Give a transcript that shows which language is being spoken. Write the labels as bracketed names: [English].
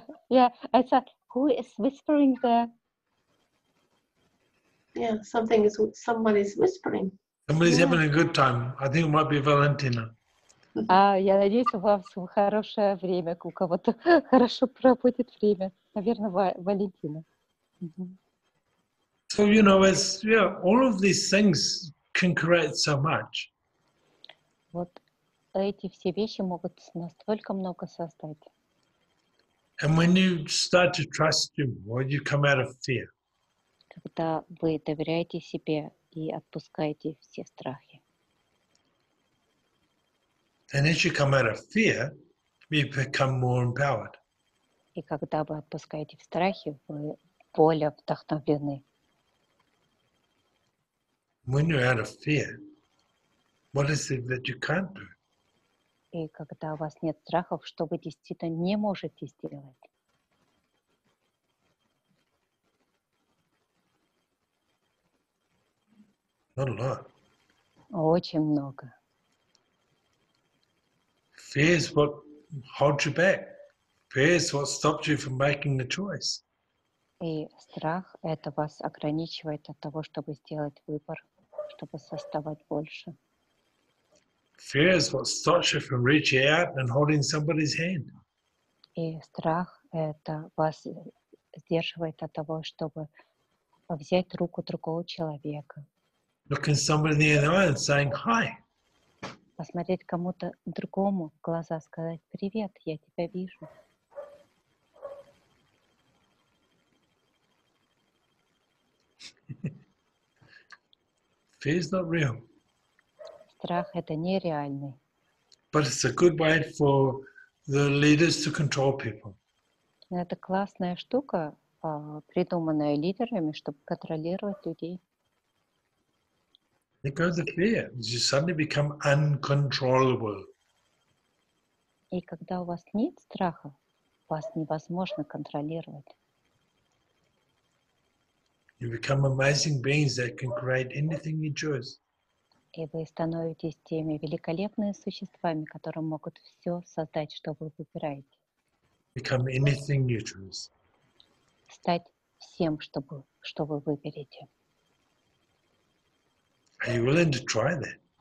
[English] Yeah, I said, who is whispering there? Yeah, something is, someone is whispering. Somebody's having a good time. I think it might be Valentina. [Russian] Я надеюсь, у вас хорошее время, у кого-то хорошо проводит время. Наверное, Валентина. [English] So, you know, as, yeah, all of these things can create so much. [Russian] Вот эти все вещи могут настолько много создать. [English] And when you start to trust him, well, you come out of fear. [Russian] Когда вы доверяете себе и отпускаете все страхи. [English] And as you come out of fear, you become more empowered. [Russian] И когда вы отпускаете в страхе, вы более вдохновлены. [English] When you're out of fear, what is it that you can't do? [Russian] И когда у вас нет страхов, что вы действительно не можете сделать? [English] A lot. [Russian] Очень много. [English] Fear is what holds you back. Fear is what stops you from making the choice. [Russian] И страх — это вас ограничивает от того, чтобы сделать выбор, чтобы создавать больше. [English] Fear is what stops you from reaching out and holding somebody's hand. [Russian] И страх это вас сдерживает от того, чтобы взять руку другого человека. [English] Looking somebody in the eye and saying hi. [Russian] Посмотреть кому-то другому в глаза, сказать привет, я тебя вижу. [English] Fear is not real. [Russian] Страх это нереальный. [English] But it's a good way for the leaders to control people. [Russian] Это классная штука, придуманная лидерами, чтобы контролировать людей. [English] It goes with fear. You suddenly become uncontrollable. [Russian] И когда у вас нет страха, вас невозможно контролировать. [English] You become amazing beings that can create anything you choose. [Russian] И вы становитесь теми великолепными существами, которые могут все создать, что вы выбираете. [English] Become anything you choose. [Russian] Стать всем, что вы выберете. [English] Are you willing to try that?